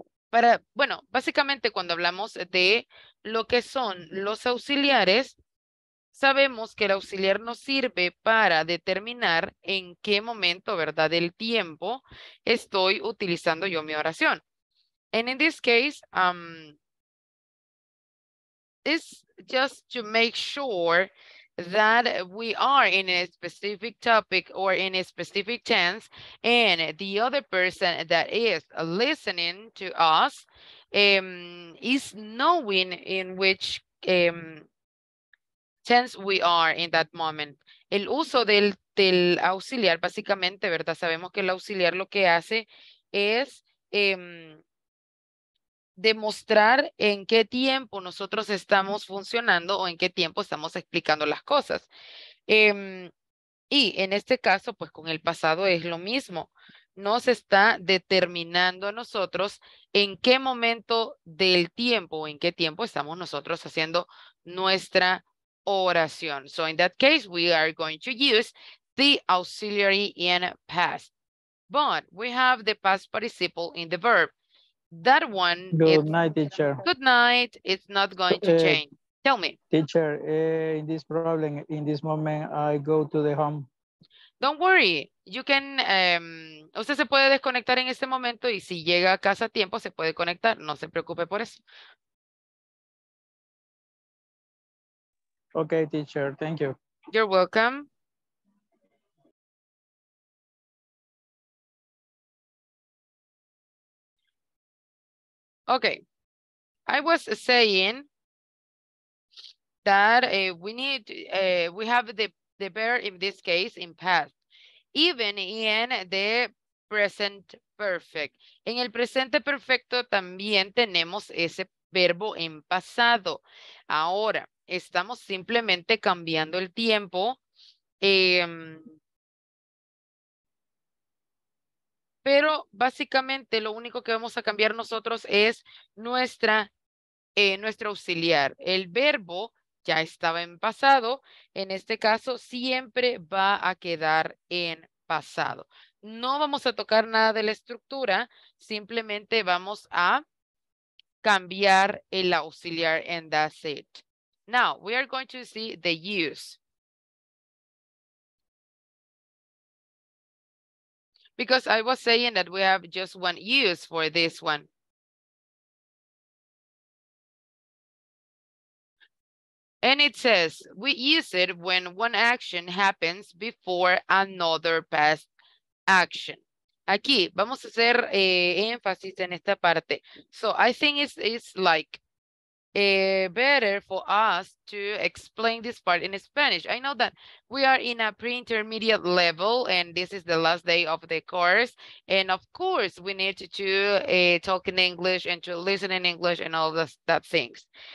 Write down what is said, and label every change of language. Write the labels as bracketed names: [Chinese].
[Spanish] Para, bueno, básicamente cuando hablamos de lo que son los auxiliares, sabemos que el auxiliar nos sirve para determinar en qué momento, ¿verdad?, del tiempo estoy utilizando yo mi oración. [English] And in this case, it's just to make sure that we are in a specific topic or in a specific tense, and the other person that is listening to us is knowing in which tense we are in that moment. [Spanish] El uso del auxiliar, básicamente, ¿verdad? Sabemos que el auxiliar lo que hace es demostrar en qué tiempo nosotros estamos funcionando o en qué tiempo estamos explicando las cosas. Y en este caso, pues con el pasado es lo mismo. Nos está determinando a nosotros en qué momento del tiempo o en qué tiempo estamos nosotros haciendo nuestra oración. [English] So in that case, we are going to use the auxiliary in past. But we have the past participle in the verb. That one. Good night, teacher. Good night. It's not going to change. Tell me. Teacher, in this problem, in this moment, I go to the home. Don't worry. You can, [Spanish] usted se puede desconectar en este momento y si llega a casa a tiempo, se puede conectar. No se preocupe por eso. [English] Okay, teacher. Thank you. You're welcome. Okay, I was saying that we have the verb in this case in past, even in the present perfect. [Spanish] En el presente perfecto también tenemos ese verbo en pasado. Ahora, estamos simplemente cambiando el tiempo. Pero básicamente lo único que vamos a cambiar nosotros es nuestro auxiliar. El verbo ya estaba en pasado. En este caso, siempre va a quedar en pasado. No vamos a tocar nada de la estructura. Simplemente vamos a cambiar el auxiliar [English] and that's it. Now, we are going to see the use. Because I was saying that we have just one use for this one. And it says, we use it when one action happens before another past action. Aquí, vamos a hacer énfasis en esta parte. So I think it's like better for us to explain this part in Spanish. I know that we are in a pre-intermediate level and this is the last day of the course. And of course, we need to talk in English and to listen in English and all that things.